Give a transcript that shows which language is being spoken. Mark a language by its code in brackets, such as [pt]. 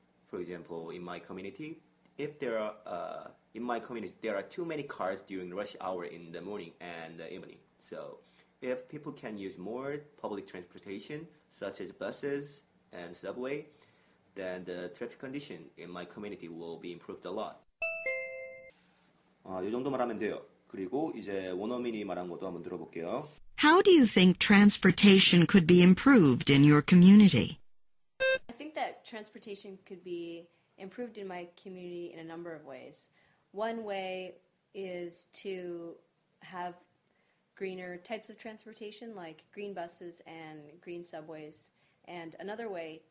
[en] For example, in my community, if there are in my community there are too many cars during rush hour in the morning and the evening. So if people can use more public transportation such as buses and subway, then the traffic condition in my community will be improved a lot. [ko] 요 정도 말하면 돼요. 그리고 이제 원어민이 말한 것도 한번 들어볼게요. [en] How do you think transportation could be improved in your community? I think that transportation could be improved in my community in a number of ways. One way is to have greener types of transportation like green buses and green subways. And another way